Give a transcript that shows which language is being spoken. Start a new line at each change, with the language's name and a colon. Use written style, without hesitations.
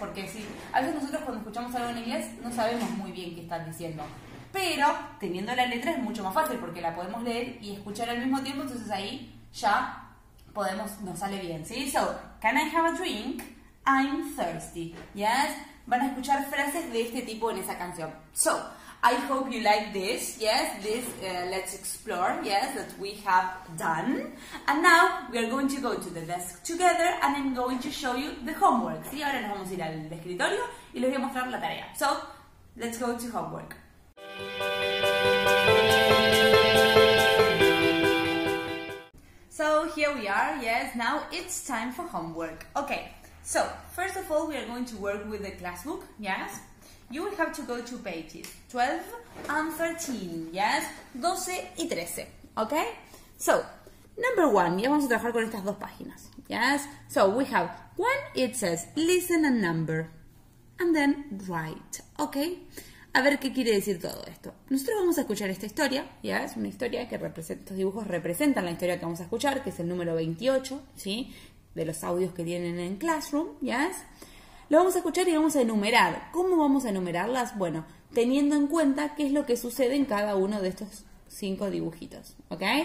Spanish: Porque si, a veces nosotros cuando escuchamos algo en inglés, no sabemos muy bien qué están diciendo. Pero, teniendo la letra es mucho más fácil, porque la podemos leer y escuchar al mismo tiempo, entonces ahí ya podemos, nos sale bien, ¿sí?
English: So, can I have a drink? I'm thirsty, ¿yes?
Spanish: Van a escuchar frases de este tipo en esa canción.
English: So, I hope you like this, yes, this let's explore, yes, that we have done. And now we are going to go to the desk together and I'm going to show you the homework.
Spanish: Y ahora nos vamos a ir al escritorio y les voy a mostrar la tarea.
English: So, let's go to homework. So, here we are, yes, now it's time for homework. Okay, so, first of all, we are going to work with the classbook, yes. You will have to go to pages 12 and 13, yes?
Spanish: 12 y 13, ok?
English: So, number one,
Spanish: ya vamos a trabajar con estas dos páginas, yes?
English: So, we have one, it says listen a number, and then write, ok?
Spanish: A ver qué quiere decir todo esto. Nosotros vamos a escuchar esta historia, yes? Una historia que representa, estos dibujos representan la historia que vamos a escuchar, que es el número 28, ¿sí? De los audios que tienen en Classroom, yes? Lo vamos a escuchar y vamos a enumerar. ¿Cómo vamos a enumerarlas? Bueno, teniendo en cuenta qué es lo que sucede en cada uno de estos cinco dibujitos. ¿Ok?